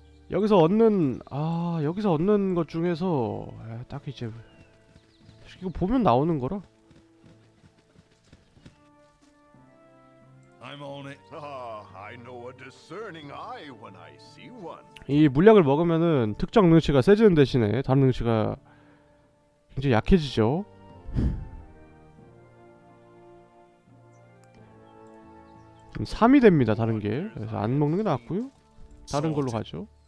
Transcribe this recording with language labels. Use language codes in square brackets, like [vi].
[ko] 여기서 얻는, 아, 여기서 얻는 것 중에서 에, 딱히 이제 이거 보면 나오는 거라. [en] I'm on it. I know a discerning eye when I see one. [ko] 이 물약을 먹으면은 특정 능력치가 세지는 대신에 다른 능력치가 굉장히 약해지죠. 3이 됩니다. 다른 게. 그래서 안 먹는 게 낫고요. 다른 걸로 가죠.